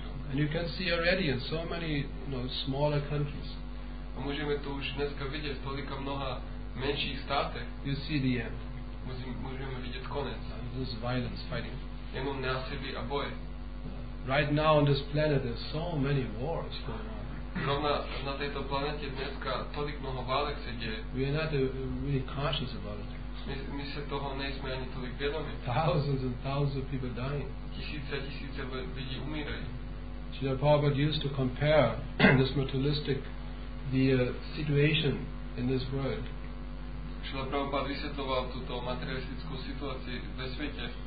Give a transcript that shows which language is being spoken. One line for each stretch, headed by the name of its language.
English: And you can see already in so many, smaller countries.
Czech: A můžeme to už dneska vidět v tolika mnoha menších státech.
English: You see the end.
Czech: Můžeme vidět konec.
English: There's violence, fighting.
Czech: Jenom násilí a boje.
English: Right now on this planet there's so many wars going on.
Czech: Zrovna na této planetě dneska tolik mnoho válek se děje.
English: We are not really conscious about it.
Czech: My se toho nejsme ani tolik vědomi.
English: Thousands and thousands of people dying.
Czech: Tisíce a tisíce lidí umírají.
English: Srila Prabhupada used to compare this materialistic situation in this world.
Czech: Srila Prabhupada vysvětloval tuto materialistickou situaci ve světě.